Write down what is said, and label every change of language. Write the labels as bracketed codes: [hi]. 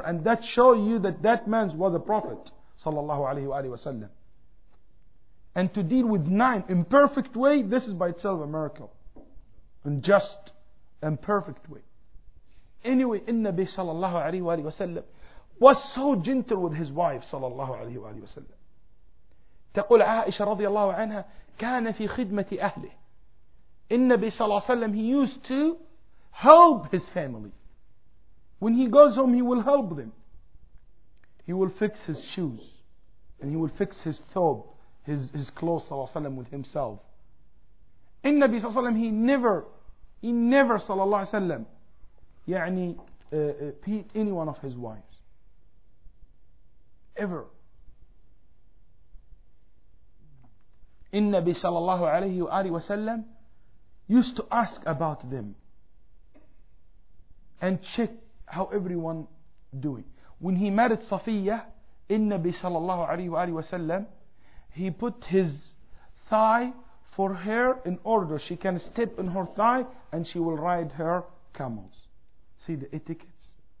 [en] And that show you that man was a prophet sallallahu alayhi wasallam. And to deal with 9 imperfect way, this is by itself a miracle, unjust and perfect way. Anyway, Nabi sallallahu alayhi wasallam was so gentle with his wife sallallahu alayhi wasallam. [ar] تقول عائشة رضي الله عنها كان في خدمة أهله. النبي صلى الله عليه وسلم, [en] he used to help his family. When he goes home, he will help them. He will fix his shoes and he will fix his thawb, his clothes, [ar] صلى الله عليه وسلم, [en] with himself. [ar] النبي صلى الله عليه وسلم, [en] he never [ar] صلى الله عليه وسلم يعني [en] beat any one of his wives ever. Innabi sallallahu alayhi wa alihi wa sallam used to ask about them and check how everyone doing. When he married Safiya, Innabi sallallahu alayhi wa alihi wa sallam, he put his thigh for her in order she can step in her thigh and she will ride her camels. See the etiquettes.